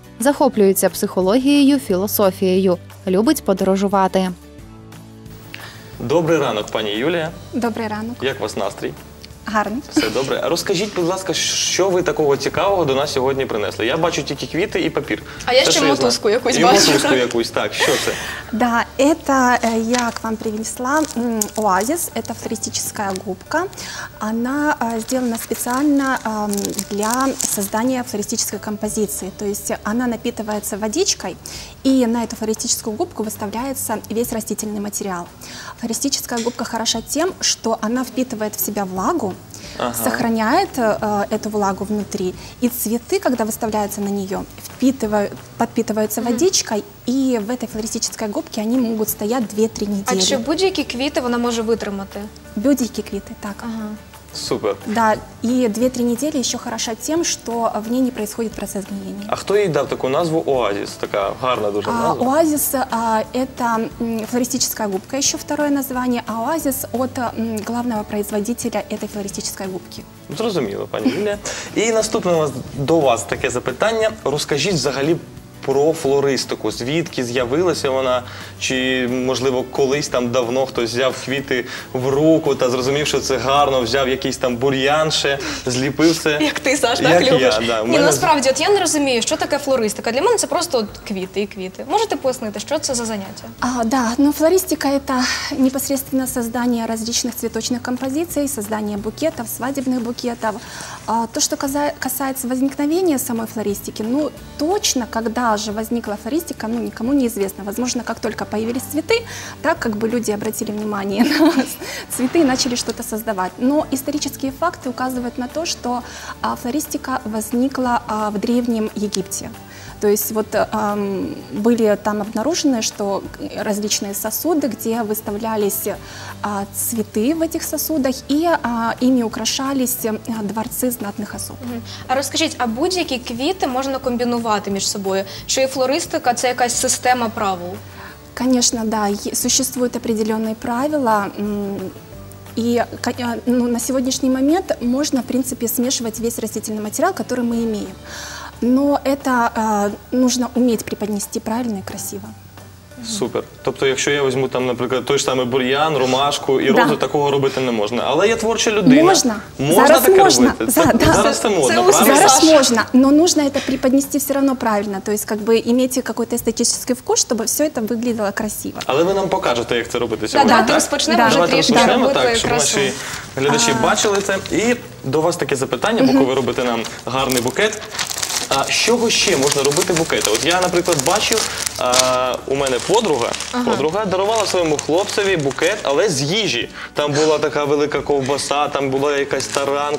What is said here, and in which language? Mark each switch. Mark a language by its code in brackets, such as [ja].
[uk] Захоплюється психологією, філософією. Любить подорожувати. Добрий ранок, пані Юлія. Добрий ранок. Як у вас настрій? Гарний. Все добре. А розкажіть, будь ласка, що ви такого цікавого до нас сьогодні принесли? Я бачу тільки квіти і папір. А я ще мотузку якусь бачу. І мотузку якусь, так. Що це? [ru] Да, это я к вам принесла оазис. Это флористическая губка. Она сделана специально для создания флористической композиции. То есть она напитывается водичкой, и на эту флористическую губку выставляется весь растительный материал. Флористическая губка хороша тем, что она впитывает в себя влагу, ага. Сохраняет эту влагу внутри, и цветы, когда выставляются на нее, подпитываются водичкой, и в этой флористической губке они могут стоять 2-3 недели. [uk] А что, будь-які квіти вона може витримати? Будь-які квіти, так. Ага. Супер. [ru] Да, и 2-3 недели еще хороша тем, что в ней не происходит процесс гниения. А кто ей дал такую назву «Оазис»? [uk] Такая гарная дуже назва. [ru] «Оазис» — это флористическая губка, еще второе название, а «Оазис» — от главного производителя этой флористической губки. [uk] Зрозуміло, пані Юлія. І наступне до вас таке запитання. Розкажіть взагалі про флористику. Звідки з'явилася вона? Чи, можливо, колись там давно хтось взяв квіти в руку та зрозумів, що це гарно, взяв якийсь там бур'ян ще, зліпив це? Як ти, Саш, так любиш. Я, да. Ні, мене... насправді, от я не розумію, що таке флористика. Для мене це просто от квіти і квіти. Можете пояснити, що це за заняття? [ru] Флористика – це непосредственно создання различних цвіточних композицій, создання букетів, свадебних букетів. То, що касається возникновення самої флористики, ну, точно, коли даже возникла флористика, ну, никому не известно. Возможно, как только появились цветы, так как бы люди обратили внимание на цветы и начали что-то создавать. Но исторические факты указывают на то, что флористика возникла в Древнем Египте. То есть вот были там обнаружены, что различные сосуды, где выставлялись цветы в этих сосудах, и ими украшались дворцы знатных особ. [uk] А расскажите, а будь-які квіти можно комбинувати між собою? Чи флористика – це якась система правил? [ru] Конечно, да. Существуют определенные правила. И ну, на сегодняшний момент можно, в принципе, смешивать весь растительный материал, который мы имеем. Но это нужно уметь преподнести правильно и красиво. Супер. [uk] Тобто, якщо я візьму там, наприклад, той ж самий бур'ян, ромашку і розу, такого робити не можна. Але я творча людина. Можна. Можна зараз таке можна. Робити. Да, да. Зараз це можна. Це зараз можна, [ru] но нужно это преподнести все равно правильно. То есть, как бы иметь какой-то эстетический вкус, [uk] щоб все [ru] это виглядело красиво. [uk] Але ви нам покажете, як це робити сьогодні. Да, ти розпочнемо, да. Давайте розпочнемо, да, так, щоб красиво. Наші глядачі бачили це. І до вас таке запитання, бо ви робите нам гарний букет. А чого ще можна робити букети? От я, наприклад, бачив, у мене подруга, ага. Подруга дарувала своєму хлопцеві букет, але з їжі. Там була така велика ковбаса, там була якась таранка.